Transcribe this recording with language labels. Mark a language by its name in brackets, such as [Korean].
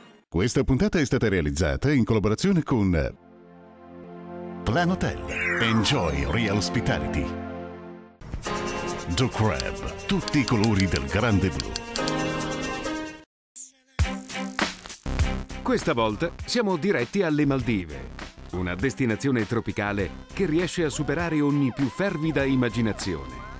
[Italian] Questa puntata è stata realizzata in collaborazione con Plan Hotel. [English] Enjoy Real Hospitality. [Italian] The Crab, tutti i colori del grande blu. Questa volta siamo diretti alle Maldive, una destinazione tropicale che riesce a superare ogni più fervida immaginazione.